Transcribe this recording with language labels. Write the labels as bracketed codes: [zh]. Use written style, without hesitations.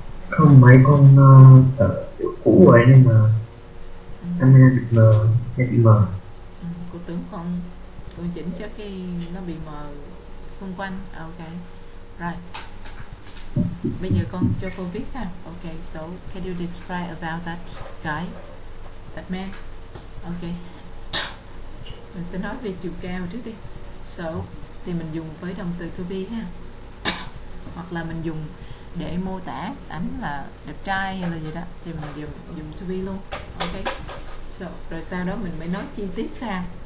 [vi] Không, mấy con ở chỗ cũ rồi nhưng mà camera bị mờ, nghe bị mờ. Cô tưởng con chỉnh cho cái nó bị mờ xung quanh. Ok, right. Bây giờ con cho cô biết ha. [en] Ok, so can you describe about that guy, that man? Ok. [vi] Mình sẽ nói về chiều cao trước đi. So, thì mình dùng với động từ to be ha. Hoặc là mình dùng để mô tả ảnh là đẹp trai hay là gì đó. Thì mình dùng to be luôn. Ok. So, rồi sau đó mình mới nói chi tiết ra.